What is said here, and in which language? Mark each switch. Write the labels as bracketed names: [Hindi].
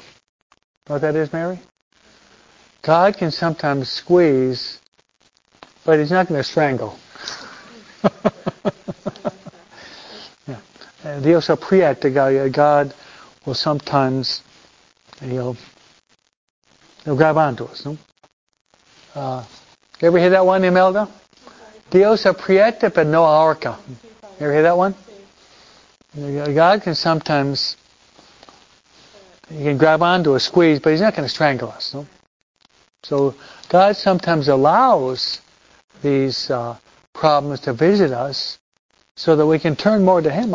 [English] You know what that is, Mary? God can sometimes squeeze, but he's not going to strangle. Yeah. [Spanish] Dios aprieta, [English] God will sometimes, he'll grab onto us. No? You ever hear that one, Imelda? [Spanish] Dios aprieta, pero no ahorca. [English] You ever hear that one? God can sometimes, he can grab onto us, squeeze, but he's not going to strangle us. No? So God sometimes allows these problems to visit us so that we can turn more to him.